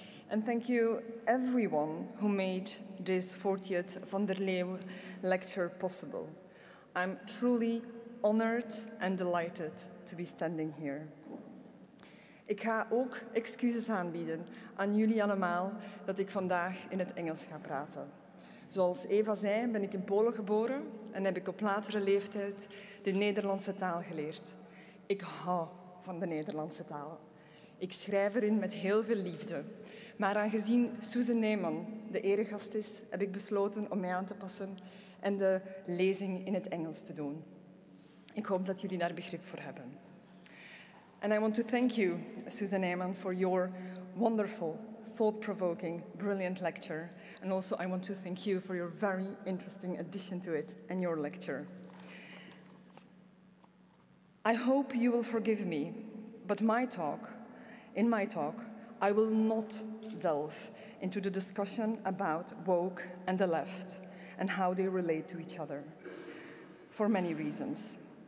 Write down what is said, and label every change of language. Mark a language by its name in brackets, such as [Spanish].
[English] And thank you everyone who made this 40th Van der Leeuw lecture possible. I'm truly honored and delighted to be standing here. [Dutch] Ik ga ook excuses aanbieden aan jullie allemaal dat ik vandaag in het Engels ga praten. Zoals Eva zei, ben ik in Polen geboren en heb ik op latere leeftijd de Nederlandse taal geleerd. Ik hou van de Nederlandse taal. Ik schrijf erin met heel veel liefde. Maar aangezien Susan Neyman de eregast is, heb ik besloten om mij aan te passen en de lezing in het Engels te doen. Ik hoop dat jullie daar begrip voor hebben. [English] And I want to thank you, Susan Neyman, for your wonderful thought-provoking, brilliant lecture. And also I want to thank you for your very interesting addition to it and your lecture. I hope you will forgive me, but in my talk, I will not delve into the discussion about woke and the left and how they relate to each other for many reasons.